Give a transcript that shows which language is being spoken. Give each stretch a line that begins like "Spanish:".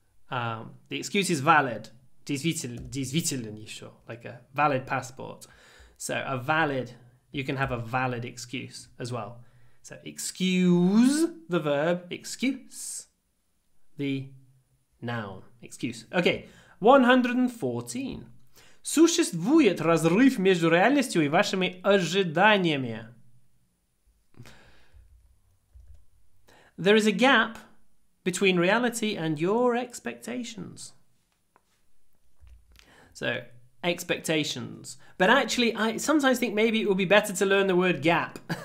English: The excuse is valid.
Russian: Действительно еще,
English: like a valid passport. So a valid, you can have a valid excuse as well. So excuse, the verb, excuse, the noun, excuse. Okay, 114.
Russian: Существует разрыв между реальностью и вашими ожиданиями.
English: There is a gap between reality and your expectations. So, expectations. But actually, I sometimes think maybe it would be better to learn the word gap.